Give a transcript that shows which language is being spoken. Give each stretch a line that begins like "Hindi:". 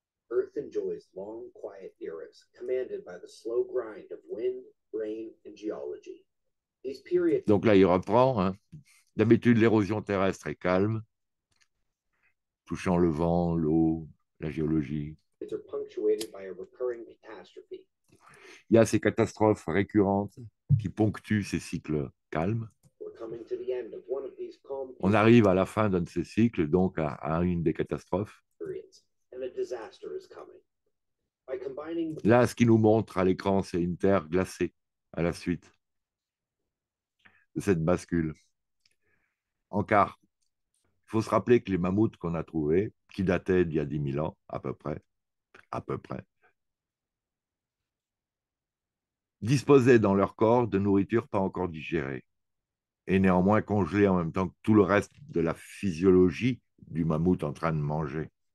English: Earth enjoys long, quiet eras commanded by the slow grind of wind, rain, and geology. These periods.
French: Donc là, il reprend. Hein. D'habitude, l'érosion terrestre est calme, touchant le vent, l'eau, la géologie.
English: It's punctuated by a recurring catastrophe.
French: Il y a ces catastrophes récurrentes qui ponctuent ces cycles calmes.
English: We're coming to the end of one of these calm
French: On
English: periods.
French: arrive à la fin d'un de ces cycles, donc à une des catastrophes.
English: And a disaster is coming. By combining.
French: Là, ce qu'il nous montre à l'écran, c'est une Terre glacée à la suite de cette bascule. Encore, il faut se rappeler que les mammouths qu'on a trouvés, qui dataient d'il y a 10 000 ans, à peu près, disposaient dans leur corps de nourriture pas encore digérée et néanmoins congelée en même temps que tout le reste de la physiologie du mammouth en train de manger.